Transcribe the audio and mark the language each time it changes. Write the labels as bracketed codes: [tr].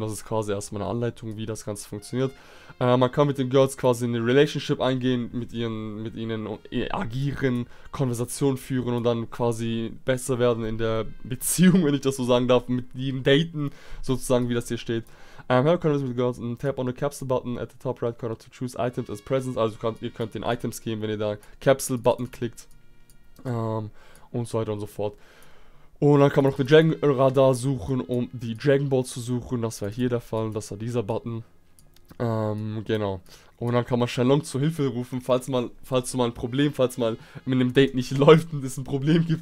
[de] Das ist quasi erstmal eine Anleitung, wie das Ganze funktioniert. Man kann mit den Girls quasi in eine Relationship eingehen, mit ihnen agieren, Konversationen führen und dann quasi besser werden in der Beziehung, wenn ich das so sagen darf, mit ihnen daten, sozusagen, wie das hier steht. [en] Have a conversation with girls and tap on the capsule button at the top right corner to choose items as presents. [de] Also ihr könnt den Items geben, wenn ihr da Capsule Button klickt. Und so weiter und so fort. Und dann kann man noch den Dragon Radar suchen, um die Dragon Ball zu suchen. Das war hier der Fall, das war dieser Button. Genau. Und dann kann man Shenlong zu Hilfe rufen, falls mal mit einem Date nicht läuft und es ein Problem gibt.